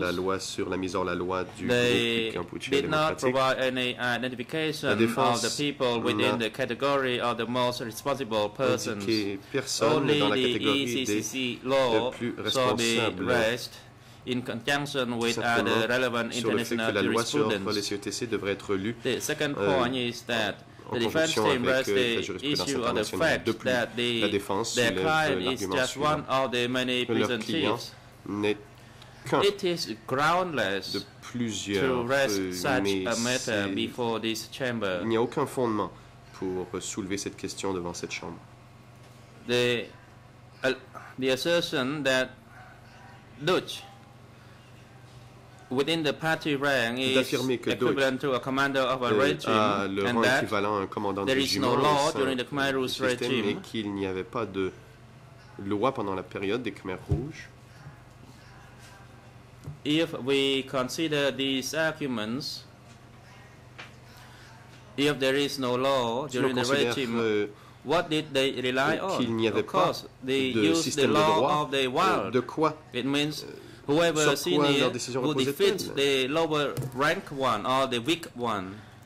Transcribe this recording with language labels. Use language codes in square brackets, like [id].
[fr] la loi sur la mise hors la loi du Cambodge [en] did not provide any identification of the people within the category of the most responsible persons. Only the ECCC law saw the rest in conjunction with other relevant international jurisprudence. The second point is that the defense team raised the issue of the fact that their client is just one of the many prison chiefs. It is groundless de to raise such a matter before this chamber. [fr] Il n'y a aucun fondement pour soulever cette question devant cette chambre. [en] The assertion that Dutch within the party rank is equivalent to a commander of a regime, and that there is no law during the Khmer Rouge regime. [fr] Qu'il n'y avait pas de loi pendant la période des Khmer Rouges. [en] If we consider these arguments, if there is no law during the regime, what did they rely on? Of course, they used the law of the wild. [fr] De quoi? [en] It means whoever senior who defeats the lower rank one or the weak one.